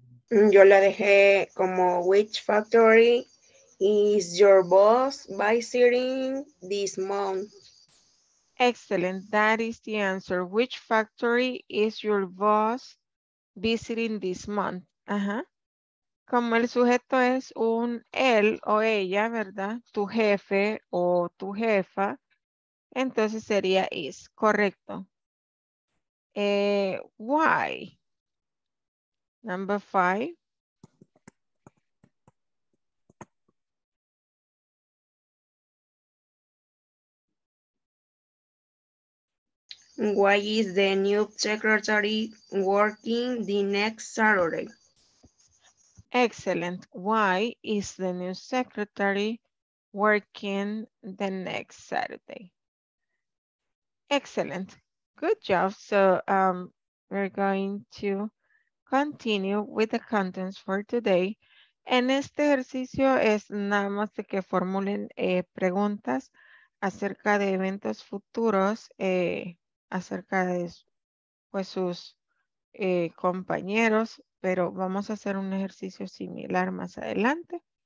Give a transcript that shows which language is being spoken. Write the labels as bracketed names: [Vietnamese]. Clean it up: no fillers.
[Spanish] Yo la dejé como, [English] which factory is your boss visiting this month? Excellent, that is the answer. Which factory is your boss visiting this month? Uh-huh. [Spanish] Como el sujeto es un él o ella, ¿verdad? Tu jefe o tu jefa, entonces sería is, correcto. [English] Why? Number five. Why is the new secretary working the next Saturday? Excellent. Why is the new secretary working the next Saturday? Excellent. Good job. So we're going to continue with the contents for today. [Spanish] En este ejercicio es nada más de que formulen preguntas acerca de eventos futuros, acerca de pues, sus compañeros, pero vamos a hacer un ejercicio similar más adelante.